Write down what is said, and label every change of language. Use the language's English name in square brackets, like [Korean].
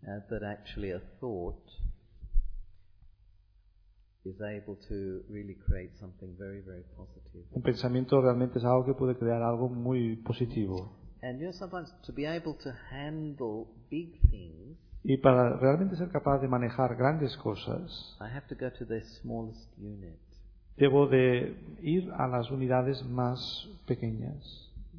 [English] that actually a thought is able to really create something very, very positive. [Spanish] Un pensamiento realmente es algo que puede crear algo muy positivo. [English] And sometimes to be able to handle big things, [Spanish] y para realmente ser capaz de manejar grandes cosas, [English] I have to go to the smallest unit. [Spanish] Debo de ir a las unidades más pequeñas.